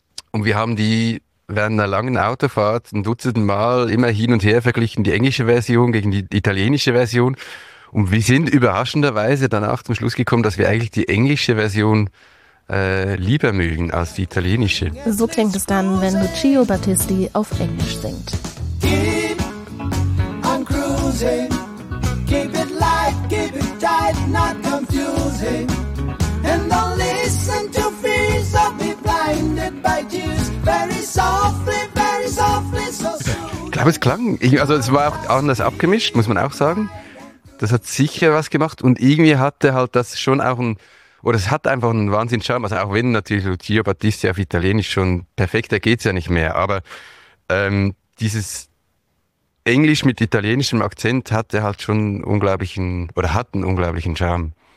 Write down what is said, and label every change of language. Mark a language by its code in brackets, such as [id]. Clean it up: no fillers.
[de] Und wir haben die während einer langen Autofahrt ein Dutzend Mal immer hin und her verglichen, die englische Version gegen die italienische Version. Und wir sind überraschenderweise danach zum Schluss gekommen, dass wir eigentlich die englische Version lieber mögen als die italienische. So klingt es dann, wenn Lucio Battisti auf Englisch singt. [en] Keep on cruising, keep it light, keep it tight, not confusing. And don't listen to fears, I'll be blinded by tears, very softly, very softly, so soon. [de] Ich glaube, es klang, es war auch anders abgemischt, muss man auch sagen. Das hat sicher was gemacht und irgendwie hatte halt das schon auch ein, oder es hat einfach einen Wahnsinns-Charme, also auch wenn natürlich Lucio Battisti auf Italienisch schon perfekt, da geht es ja nicht mehr, aber dieses Englisch mit italienischem Akzent hatte halt schon einen unglaublichen Charme.